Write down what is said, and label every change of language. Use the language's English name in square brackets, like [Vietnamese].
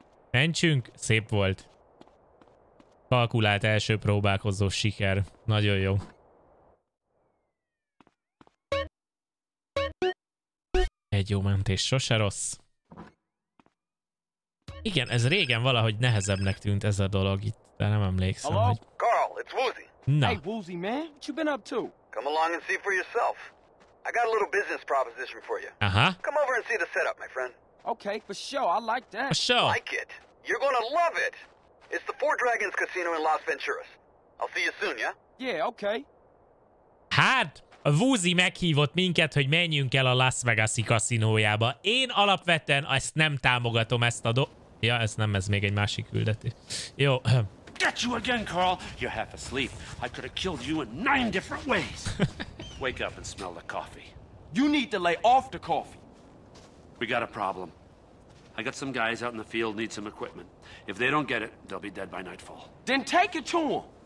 [Hungarian] Mentsünk, szép volt. Kalkulált első próbálkozó siker, nagyon jó. Egy jó mentés, sose rossz. Igen, ez régen valahogy nehezebbnek tűnt ez a dolog itt, de nem emlékszem, [English] hello? [Hungarian] Hogy... [English] Carl, it's Woozy. Na. Hey, Woozy, man, what you been up to? Come along and see for yourself. I got a little business proposition for you. Aha. Come over and see the setup, my friend. Okay, for sure, I like that. For sure. Like it. You're gonna love it. It's the Four Dragons Casino in Las Venturas. I'll see you soon, yeah? Yeah, okay. [Hungarian] Hát... A Woozy meghívott minket, hogy menjünk el a Las Vegas-i kaszinójába. Én alapvetően ezt nem támogatom, ezt a do... Ja, ez nem, ez még egy másik küldetés. Jó. [English] Get you again, Carl! You're half asleep. I could have killed you in 9 different ways. Wake up and smell the coffee. You need to lay off the coffee. We got a problem. I got some guys out in the field need some equipment. If they don't get it, they'll be dead by nightfall. Then take it to them.